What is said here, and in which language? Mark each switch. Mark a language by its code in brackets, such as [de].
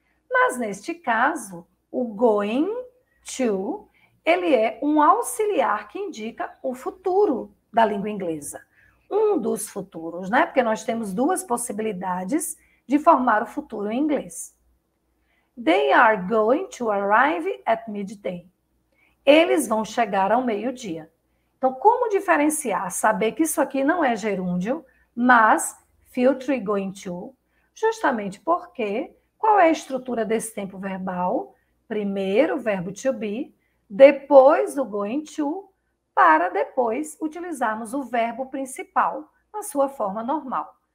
[pt] Mas neste caso, o going to, ele é um auxiliar que indica o futuro da língua inglesa. Um dos futuros, né? Porque nós temos duas possibilidades de formar o futuro em inglês. [en] They are going to arrive at midday. [pt] Eles vão chegar ao meio-dia. Então, como diferenciar? Saber que isso aqui não é gerúndio, mas future going to, justamente porque qual é a estrutura desse tempo verbal? Primeiro o verbo to be, depois o going to, para depois utilizarmos o verbo principal na sua forma normal.